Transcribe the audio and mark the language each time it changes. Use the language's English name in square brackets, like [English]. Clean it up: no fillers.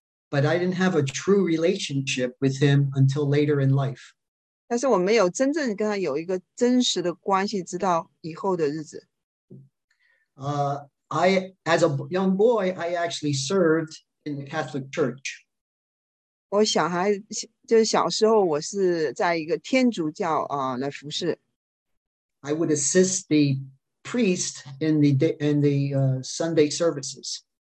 [English] But I didn't have a true relationship with him until later in life. [Chinese] 但是我没有真正跟他有一个真实的关系，直到以后的日子。 [English] As a young boy, I actually served in the Catholic Church. [Chinese] 我小孩就是小时候，我是在一个天主教 来服侍。 [English] I would assist the priest in the Sunday services.